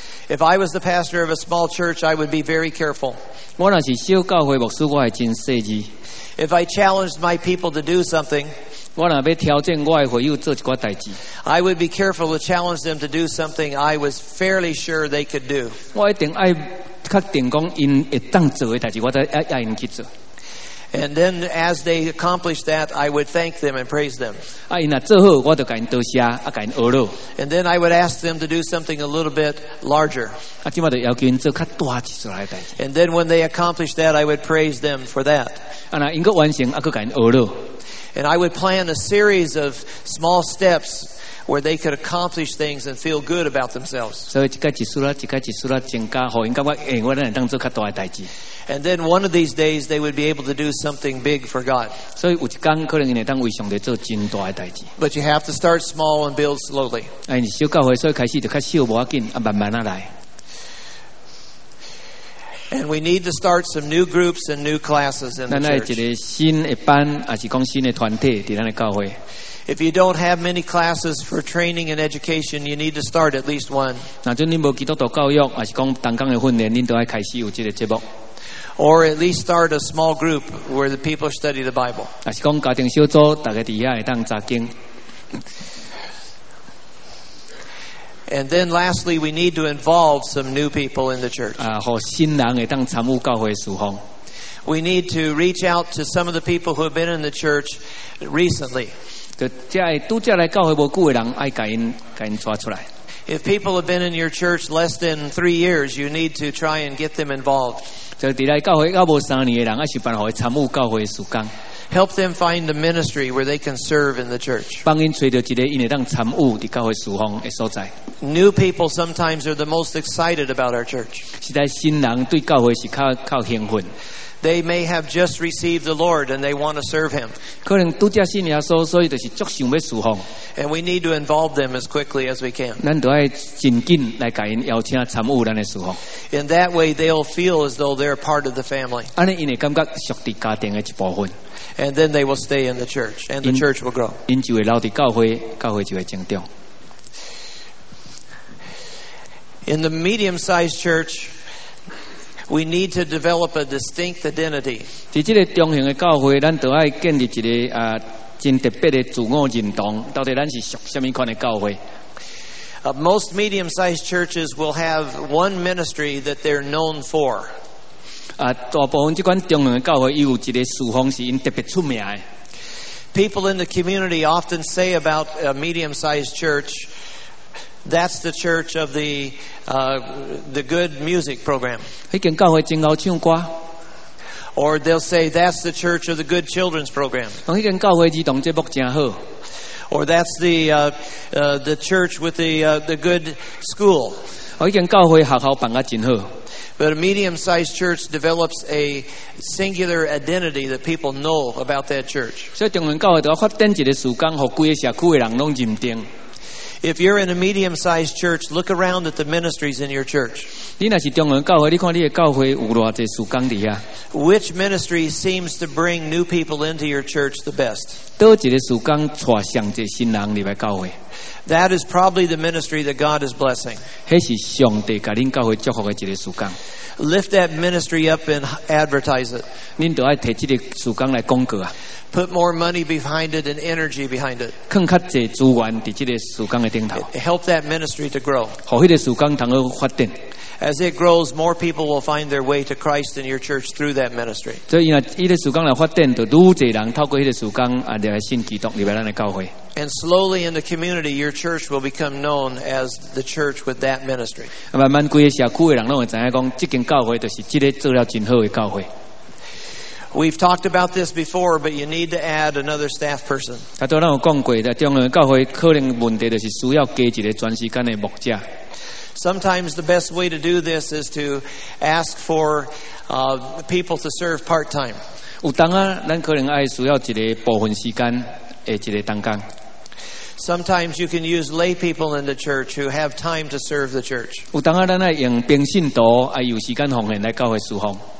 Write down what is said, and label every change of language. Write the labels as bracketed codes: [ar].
[en] If I was the pastor of a small church, I would be very careful. [nan] 我若是小教会牧师，我会真细致。 [en] If I challenged my people to do something. [nan] 我若要挑战我的会友做一挂代志 [en] ，I would be careful to challenge them to do something I was fairly sure they could do。 [nan] 我一定爱确定讲，因会当做的代志，我才爱爱因去做。 [en] And then as they accomplished that, I would thank them and praise them. [nan] 啊，因若做好，我就甲因多谢，啊，甲因阿乐。 [en] And then I would ask them to do something a little bit larger. [nan] 啊，即马就要求因做较大一撮来代志。 [en] And then when they accomplished that, I would praise them for that. [nan] 啊，那因个完成，啊，佮甲因阿乐。 [en] And I would plan a series of small steps where they could accomplish things and feel good about themselves. [nan] So, 一家一束啦，一家一束啦，增加，让因感觉，哎，我咱当做较大的代志。 [en] And then one of these days they would be able to do something big for God. [nan] 所以有一天可能因会当为上帝做真大的代志。 [en] But you have to start small and build slowly. [nan] 哎，你小教会所以开始就较小，无要紧，啊，慢慢啊来。 [en] And we need to start some new groups and new classes in the church. [nan] 咱来一个新的班，还是讲新的团体，在咱的教会。 [en] If you don't have many classes for training and education, you need to start at least one. [nan] 那就恁无基督徒教育，还是讲同工的训练，恁都要开始有这个节目。 [en] Or at least start a small group where the people study the Bible. [nan] 还是讲家庭小组，大家底下会当查经。 [en] And then lastly, we need to involve some new people in the church. [nan] 啊，让新人会当参与教会事奉。 [en] We need to reach out to some of the people who have been in the church recently. [nan] 这来教会无久的人，爱甲因抓出来。 [en] If people have been in your church less than 3 years, you need to try and get them involved. [nan] 就伫来教会还无三年的人，还是办好参与教会事工。 [en] Help them find a ministry where they can serve in the church. [nan] 帮因找到一个因会当参与伫教会事奉的所在。 [en] New people sometimes are the most excited about our church. [nan] 实在新人对教会是较兴奋。 [en] They may have just received the Lord and they want to serve Him. [nan] 可能拄只信耶稣，所以就是足想要事奉。 [en] And we need to involve them as quickly as we can. [nan] 咱都爱尽紧来甲因邀请参与咱的事奉。 [en] In that way, they'll feel as though they're part of the family. [nan] 安尼因会感觉属于家庭的一部分。 [en] And then they will stay in the church, and the church will grow. [nan] 因就会留伫教会，教会就会增长。 [en] In the medium-sized church, we need to develop a distinct identity. [nan] 伫这个中型的教会，咱都爱建立一个真特别的自我认同。到底咱是属什么款的教会？ [en] Most medium-sized churches will have one ministry that they're known for. [nan] 大部分这款中型的教会，伊有一个事奉是因特别出名的。 [en] People in the community often say about a medium-sized church, that's the church of the good music program. [nan] 迄间教会真好唱歌。 [en] Or they'll say that's the church of the good children's program. [nan] 迄间教会儿童节目真好。 [en] Or that's the church with the good school. [nan] 迄间教会学校办得真好。 [en] But a medium-sized church develops a singular identity that people know about that church. [nan] 所以中型教会就要发展一个事工，让整个社区的人拢认定。 [en] If you're in a medium-sized church, look around at the ministries in your church. [nan] 你若是中型教会，你看你的教会有偌济事工伫遐。 [en] Which ministry seems to bring new people into your church the best? [nan] 倒一个事工带上济新人入来教会。 [en] That is probably the ministry that God is blessing. [nan] 那是上帝给您教会祝福的一个事工。 [en] Lift that ministry up and advertise it. [nan] 您就要拿这个事工来广告啊。 [en] Put more money behind it and energy behind it. [nan] 放更多资源在这个事工的顶头。 [en] Help that ministry to grow. [nan] 让那个事工能够发展。 [en] As it grows, more people will find their way to Christ in your church through that ministry. [nan] 所以，那一个事工来发展，就愈多人透过那个事工啊，来信基督，入来咱的教会。 [en] And slowly in the community, your church will become known as the church with that ministry. [nan] 慢慢，规个社区的人拢会知影讲，这间教会就是这个做了真好的教会。 [en] We've talked about this before, but you need to add another staff person. [nan] 刚才咱有讲过，中央教会可能问题就是需要加一个全时间的牧者。 [en] Sometimes the best way to do this is to ask for people to serve part-time. [nan] 有当啊，咱可能爱需要一个部分时间的一个同工。 [en] Sometimes you can use lay people in the church who have time to serve the church. [nan] 有当啊，咱爱用平信徒啊，有时间奉献来教会事奉。